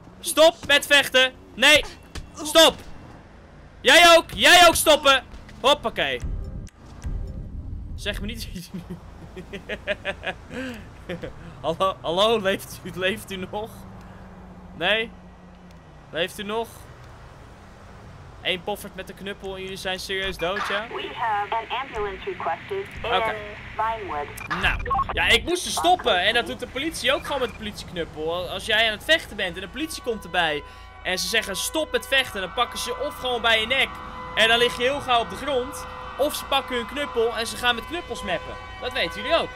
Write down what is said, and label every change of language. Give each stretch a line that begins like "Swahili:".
Dutch: Stop met vechten. Nee. Stop. Jij ook. Jij ook stoppen. Hoppakee. Zeg me niet iets nu. Hallo, leeft u nog? Nee? Leeft u nog? Eén poffert met de knuppel en jullie zijn serieus dood, ja?
English: We have an ambulance requested. Okay. In Vinewood.
Dutch: Nou, ja, ik moest ze stoppen en dat doet de politie ook gewoon met de politieknuppel. Als jij aan het vechten bent en de politie komt erbij en ze zeggen stop met vechten, dan pakken ze je of gewoon bij je nek en dan lig je heel gauw op de grond. Of ze pakken hun knuppel en ze gaan met knuppels mappen. Dat weten jullie ook.